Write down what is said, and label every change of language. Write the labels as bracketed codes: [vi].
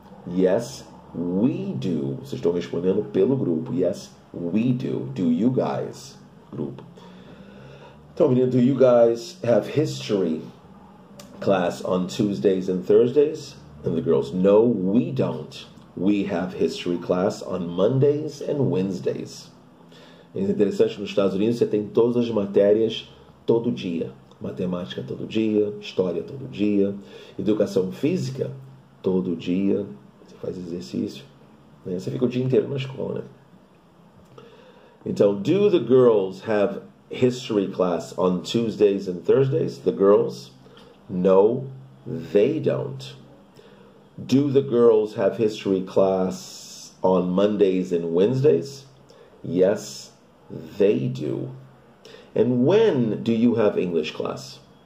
[en] Yes, we do. [pt] Vocês estão respondendo pelo grupo. [en] Yes, we do. Do you guys? Grupo. Tell me, do you guys have history class on Tuesdays and Thursdays? And the girls, no, we don't. We have history class on Mondays and Wednesdays. [pt] É interessante que nos Estados Unidos você tem todas as matérias todo dia. Matemática todo dia, história todo dia, educação física todo dia. Você faz exercício, né? Você fica o dia inteiro na escola, né? [en] Então, do the girls have history class on Tuesdays and Thursdays? The girls? No, they don't. Do the girls have history class on Mondays and Wednesdays? Yes, they do. And when do you have English class?